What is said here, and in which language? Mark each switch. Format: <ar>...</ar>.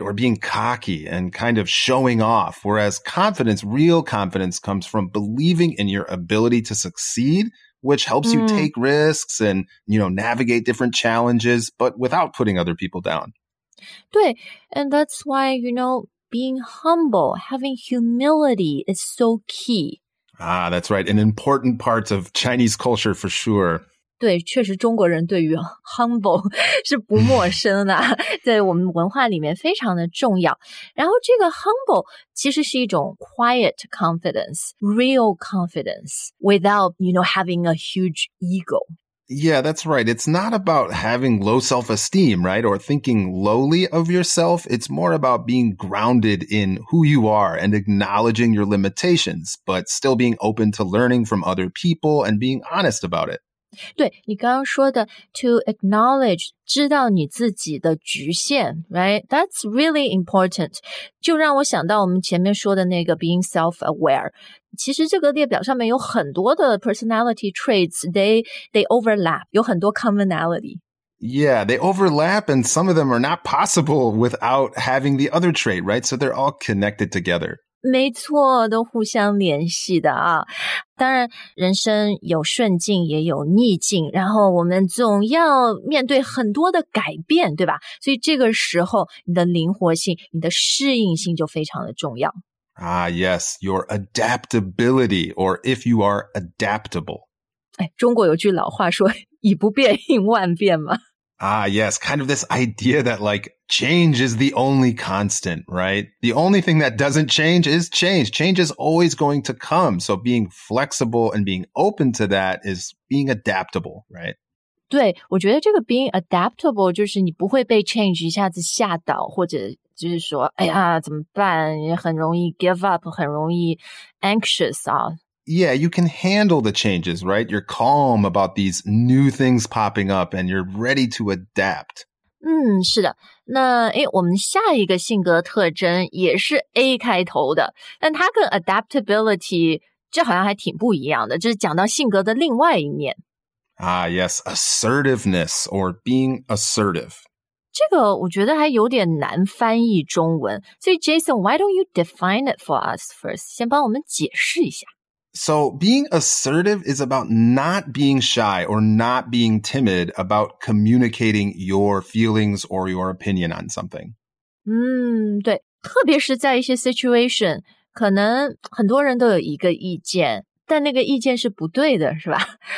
<en>Or being cocky and kind of showing off. Whereas confidence, real confidence, comes from believing in your ability to succeed, which helps you take risks and, you know, navigate different challenges, but without putting other people down.</en> <zh>对</zh> <en>，and that's why, you know,Being humble, having humility is so key. Ah, that's right. An important part of Chinese culture for sure.</en> <zh>对，确实中国人对于 humble 是不陌生的，在我们文化里面非常的重要。然后这个</zh> <en>humble</en> <zh>其实是一种</zh> <en>quiet confidence, real confidence, without, you know, having a huge ego. Yeah, that's right. It's not about having low self-esteem, right? Or thinking lowly of yourself. It's more about being grounded in who you are and acknowledging your limitations, but still being open to learning from other people and being honest about it.</en> <zh>对，你刚刚说的</zh> <en>to acknowledge,</en> <zh>知道你自己的局限 right?</zh> <en>That's really important.</en> <zh>就让我想到我们前面说的那个 being self-aware. 其实这个列表上面有很多的</zh> <en>personality traits, they overlap,</en> <zh>有很多 commonality.</zh> <en>Yeah, they overlap and some of them are not possible without having the other trait, right? So they're all connected together.</en> <zh>没错，都互相联系的啊。当然人生有顺境也有逆境，然后我们总要面对很多的改变，对吧？所以这个时候你的灵活性，你的适应性就非常的重要。</zh> <en>Ah, yes, your adaptability, or if you are adaptable.</en> <zh>哎，中国有句老话说，以不变应万变嘛。</zh> <en>Ah, yes. Kind of this idea that like change is the only constant, right? The only thing that doesn't change is change. Change is always going to come. So being flexible and being open to that is being adaptable, right?</en> <zh>对，我觉得这个 being adaptable 就是你不会被 change 一下子吓倒，或者就是说，哎呀，怎么办？也很容易</zh> <en>give up，</en> <zh>很容易 anxious 啊。</zh> <en>Yeah, you can handle the changes, right? You're calm about these new things popping up and you're ready to adapt.</en> <zh>嗯，是的。那，诶，我们下一个性格特征也是 A 开头的，但它跟 adaptability 这好像还挺不一样的，就是讲到性格的另外一面。</zh> <en>Ah, yes, assertiveness or being assertive.</en> <zh>这个我觉得还有点难翻译中文。所以</zh> <en>Jason, why don't you define it for us first?</en> <zh>先帮我们解释一下。</zh> <en>So being assertive is about not being shy or not being timid about communicating your feelings or your opinion on something.</en> <zh>对，特别是在一些 situation, 可能很多人都有一个意见，但那个意见是不对的，是吧？</zh>